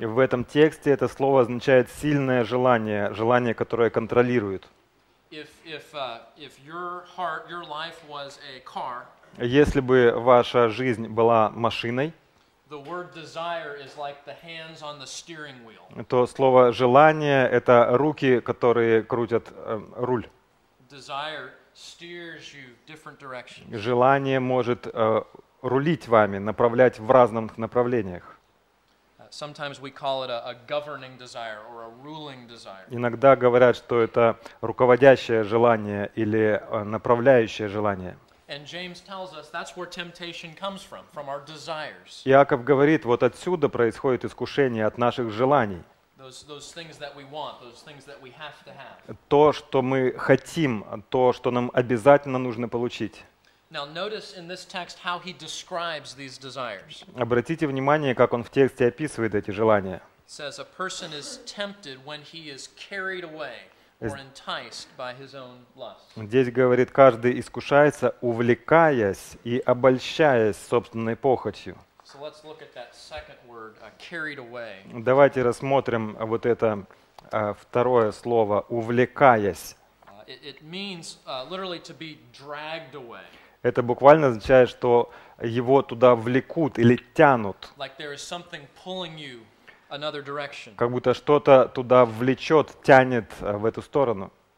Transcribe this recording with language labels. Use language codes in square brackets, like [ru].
[ru] В этом тексте это слово означает сильное желание, желание, которое контролирует. Если бы ваша жизнь была машиной, [en] the word desire is like the hands on the steering wheel. [ru] То слово «желание» — это руки, которые крутят руль. [en] desire steers you different directions. [ru] Желание может рулить вами, направлять в разных направлениях. [en] Sometimes we call it a governing desire or a ruling desire. [ru] Иногда говорят, что это руководящее желание или направляющее желание. [en] And James tells us that's where temptation comes from our desires. [ru] Иаков говорит, вот отсюда происходит искушение от наших желаний. [en] Those things that we want, those things that we have to have. [ru] То, что мы хотим, то, что нам обязательно нужно получить. [en] Now notice in this text how he describes these desires. [ru] Обратите внимание, как он в тексте описывает эти желания. [en] It says a person is tempted when he is carried away or enticed by his own lust. [ru] Здесь говорит, каждый искушается, увлекаясь и обольщаясь собственной похотью. [en] So let's look at that second word, carried away. [ru] Давайте рассмотрим вот это второе слово, увлекаясь. [en] It means literally to be dragged away. [ru] Это буквально означает, что его туда влекут или тянут. [en] Like [ru] как будто что-то туда влечет, тянет в эту сторону.